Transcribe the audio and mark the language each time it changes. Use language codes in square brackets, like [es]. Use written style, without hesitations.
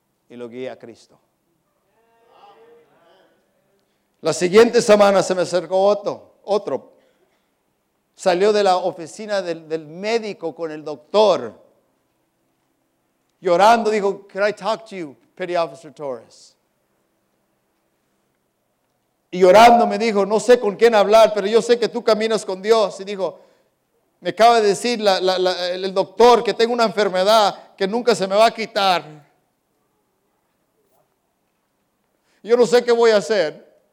[es] Y lo guía a Cristo. La siguiente semana se me acercó otro. Salió de la oficina del médico con el doctor. Llorando, dijo, [en] "Can I talk to you, Petty Officer Torres?" [es] Y llorando me dijo, "No sé con quién hablar, pero yo sé que tú caminas con Dios." Y dijo, "Me acaba de decir el doctor que tengo una enfermedad que nunca se me va a quitar. Yo no sé qué voy a hacer.